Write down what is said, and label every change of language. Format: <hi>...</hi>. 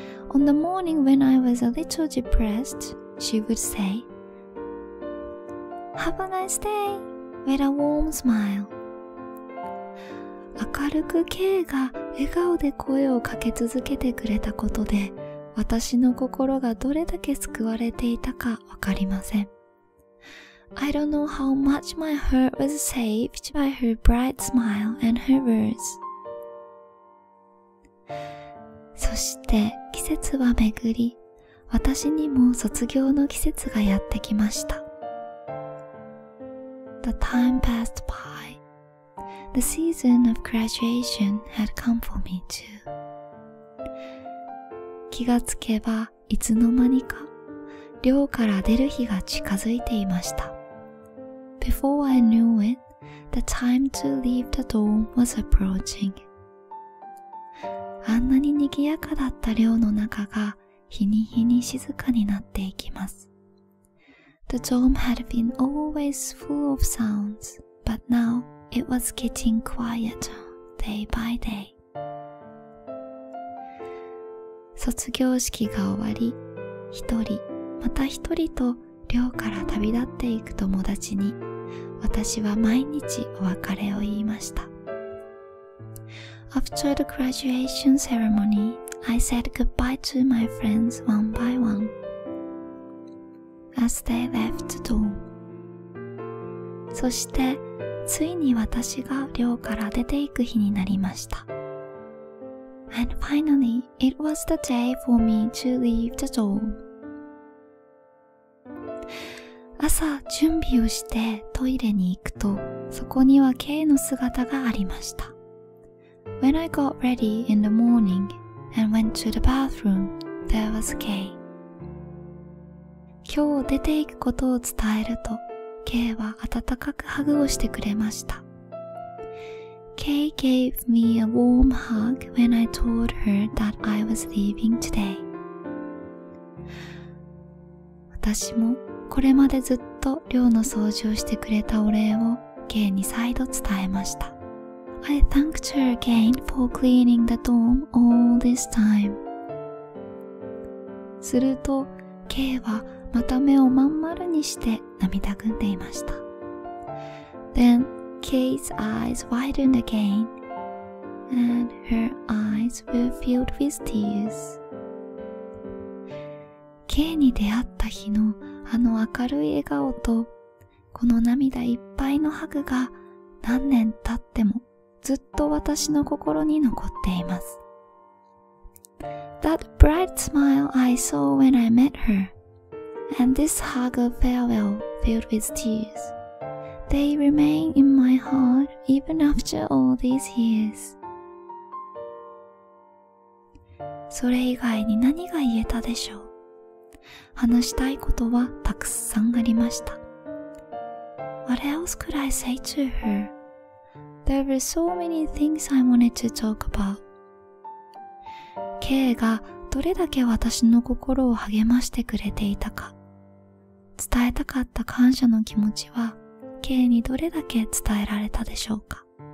<en>On the morning when I was a little depressed, she would say, Have a nice day with a warm smile.</en> <ja>明るく K が笑顔で声をかけ続けてくれたことで、私の心がどれだけ救われていたかわかりません。</ja> <en>I don't know how much my heart was saved by her bright smile and her words.</en> <ja>そして季節は巡り、私にも卒業の季節がやってきました。</ja> <en>The time passed by. The season of graduation had come for me too.</en> <ja>気がつけば、いつの間にか、寮から出る日が近づいていました。</ja> <en>Before I knew it, the time to leave the dorm was approaching.</en> <ja>あんなに賑やかだった寮の中が日に日に静かになっていきます。</ja> <en>The dorm had been always full of sounds, but now it was getting quieter day by day.</en> <ja>卒業式が終わり、一人、また一人と寮から旅立っていく友達に、私は毎日お別れを言いました。</ja> <en>After the graduation ceremony, I said goodbye to my friends one by one as they left the dorm.</en> <ja>そして、ついに私が寮から出ていく日になりました。</ja> <en>And finally, it was the day for me to leave the dorm.</en> <ja>朝、準備をしてトイレに行くと、そこには K の姿がありました。</ja> <en>When I got ready in the morning and went to the bathroom, there was K.</en> <ja>今日出ていくことを伝えると、K は温かくハグをしてくれました。</ja> <en>K gave me a warm hug when I told her that I was leaving today.</en> <ja>私も、これまでずっと寮の掃除をしてくれたお礼を K に再度伝えました。</ja> <en>I thanked her again for cleaning the dorm all this time.</en> <ja>すると K はまた目をまん丸にして涙ぐんでいました。</ja> <en>Then K's eyes widened again and her eyes were filled with tears.</en> <ja>K に出会った日のあの明るい笑顔と、この涙いっぱいのハグが、何年経っても、ずっと私の心に残っています。</ja> <en>That bright smile I saw when I met her, and this hug of farewell filled with tears, they remain in my heart even after all these years.</en> <ja>それ以外に何が言えたでしょう?話したいことはたくさんありました。</ja> <en>What else could I say to her? There were so many things I wanted to talk about.</en> <ja>Kay がどれだけ私の心を励ましてくれていたか。伝えたかった感謝の気持ちは、K にどれだけ伝えられたでしょうか。</ja>